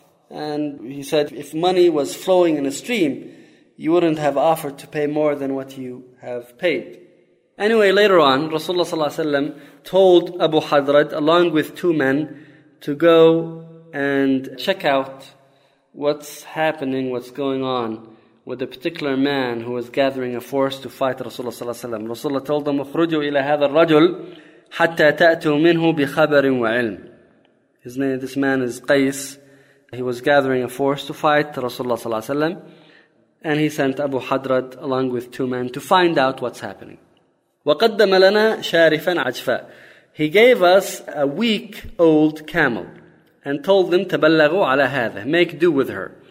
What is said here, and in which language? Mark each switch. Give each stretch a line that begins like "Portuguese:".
English: And he said, if money was flowing in a stream, you wouldn't have offered to pay more than what you have paid. Anyway, later on, Rasulullah sallallahu alaihi wasallam told Abu Hadrat, along with two men, to go and check out what's happening, what's going on with a particular man who was gathering a force to fight Rasulullah sallallahu alaihi wasallam. Rasulullah told them,
Arabic: اخرجوا إلى هذا الرجل حتى تأتوا منه بخبر وعلم.
English: His name, this man is Qais. He was gathering a force to fight Rasulullah sallallahu alaihi wasallam, and he sent Abu Hadrat along with two men to find out what's happening.
Arabic: وَقَدَّمَ لَنَا شَارِفًا عَجْفًا.
English: He gave us a weak old camel and told them,
Arabic: تَبَلَّغُوا عَلَى هَذَا.
English: Make do with her.